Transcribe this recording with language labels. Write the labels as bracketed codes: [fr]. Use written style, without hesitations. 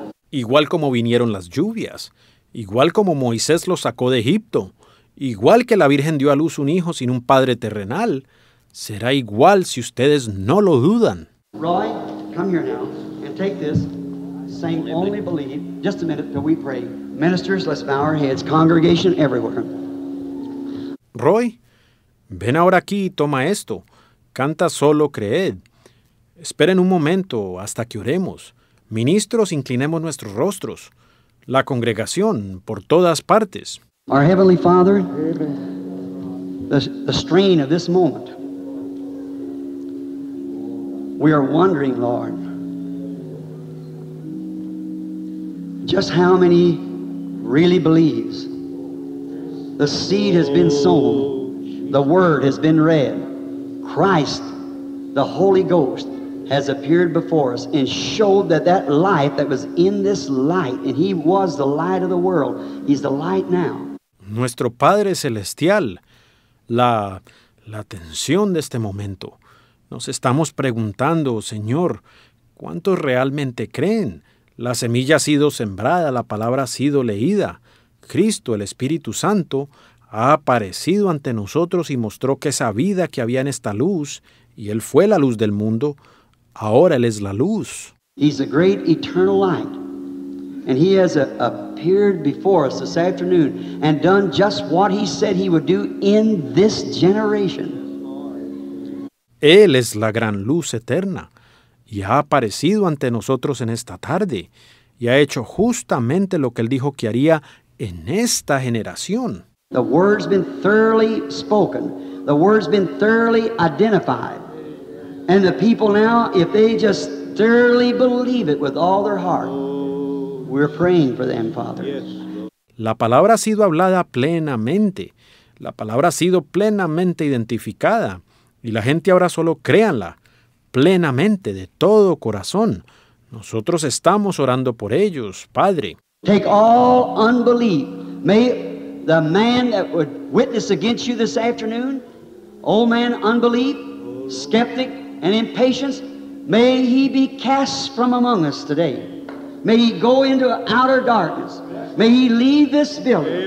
[es] Igual como vinieron las lluvias. igual como Moisés lo sacó de Egipto, igual que la Virgen dio a luz un hijo sin un padre terrenal, será igual si ustedes no lo dudan. [en] Roy, come here now and take this. Saying only believe. Just a minute till we pray. Ministers, let's bow our heads. Congregation everywhere. [es] Roy, ven ahora aquí y toma esto. Canta solo creed. Esperen un momento hasta que oremos. Ministros, inclinemos nuestros rostros. La congregación, por todas partes. [en] Our Heavenly Father, the strain of this moment. We are wondering, Lord, just how many really believes. The seed has been sown. The word has been read. Christ, the Holy Ghost, has appeared before us and showed that that light that was in this light, and he was the light of the world, he's the light now. [es] Nuestro Padre Celestial, la tensión de este momento. Nos estamos preguntando, Señor, ¿cuántos realmente creen? La semilla ha sido sembrada, la palabra ha sido leída. Cristo, el Espíritu Santo, ha aparecido ante nosotros y mostró que esa vida que había en esta luz, y Él fue la luz del mundo, ahora Él es la luz. [en] He's a great eternal light. And he has appeared before us this afternoon and done just what he said he would do in this generation. [es] Él es la gran luz eterna y ha aparecido ante nosotros en esta tarde y ha hecho justamente lo que él dijo que haría en esta generación. [en] The word's been thoroughly spoken. The word's been thoroughly identified. And the people now, if they just thoroughly believe it with all their heart, we're praying for them, Father. [es] La palabra ha sido hablada plenamente. La palabra ha sido plenamente identificada. Y la gente ahora solo créanla, plenamente, de todo corazón. Nosotros estamos orando por ellos, Padre. [en] Take all unbelief. May the man that would witness against you this afternoon, old man unbelief, skeptic and impatience, may he be cast from among us today. May he go into outer darkness. May he leave this building.